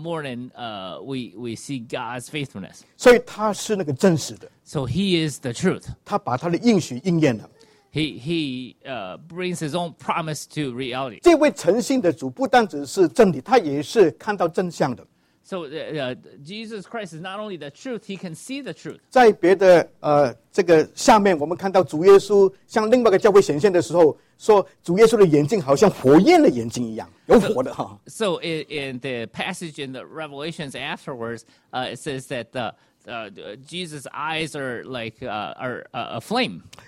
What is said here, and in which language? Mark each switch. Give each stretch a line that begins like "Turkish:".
English: So every morning, we see God's faithfulness.
Chinese: 所以他是那个真实的。
English: So He is the truth.
Chinese: 他把他的应许应验了。 He brings
English: His own promise to reality.
Chinese: 这位诚信的主不单只是真理，他也是看到真相的。
English: So Jesus Christ is not only the truth, he can see the truth.
Chinese: 在别的这个下面我们看到主耶稣向另外一个教会显现的时候说主耶稣的眼睛好像火焰的眼睛一样有火的。So
English: in the passage in the Revelations afterwards, it says that Jesus' eyes are like a flame.